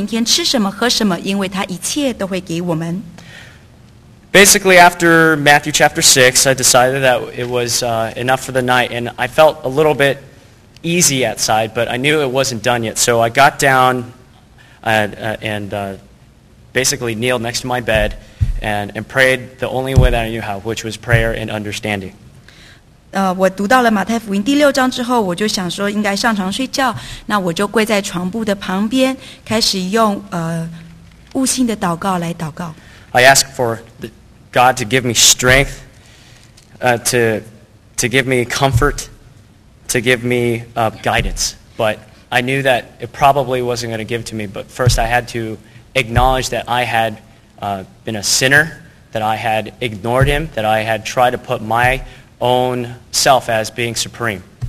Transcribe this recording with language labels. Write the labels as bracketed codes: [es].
[zh] 当我读到马太福音第六章第31节、32节、33节的时候，这里就是说，天父跟我们讲，不需要担忧明天吃什么、喝什么，因为他一切都会给我们。 [en] Basically, after Matthew chapter 6, I decided that it was enough for the night, and I felt a little bit easy outside, but I knew it wasn't done yet. So I got down and basically kneeled next to my bed and prayed the only way that I knew how, which was prayer and understanding. [zh] 我读到了马太福音第六章之后，我就想说应该上床睡觉，那我就跪在床铺的旁边，开始用悟性的祷告来祷告。 [en] I asked for God to give me strength, to give me comfort, to give me guidance. But I knew that it probably wasn't going to give to me. But first I had to acknowledge that I had been a sinner, that I had ignored Him, that I had tried to put my own self as being supreme.